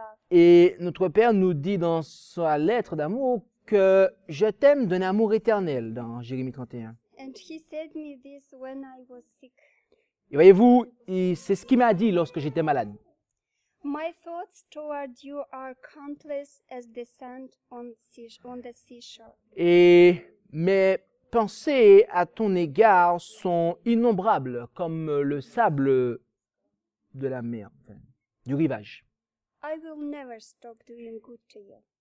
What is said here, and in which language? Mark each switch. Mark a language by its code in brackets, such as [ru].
[fr] Et notre père nous dit dans sa lettre d'amour que je t'aime d'un amour éternel dans Jérémie 31. [en] And he said me this when I was sick. [fr] Et voyez-vous, c'est ce qu'il m'a dit lorsque j'étais malade. [en] My thoughts toward you are countless as the sand on the seashore. [fr] Et mes pensées à ton égard sont innombrables comme le sable de la mer, du rivage. [en] I will never stop doing good to you.